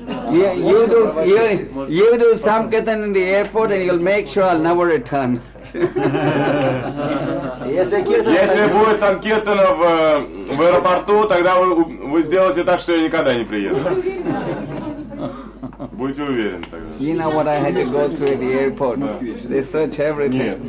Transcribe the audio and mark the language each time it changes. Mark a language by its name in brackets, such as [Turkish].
[English] You do Sankirtan in the airport, and you'll make sure I'll never return. [Russian] Если будет Санкиртана в аэропорту, тогда вы сделаете так, что я никогда не приеду. Будьте уверены тогда. [English] You know what I had to go through at the airport? They search everything.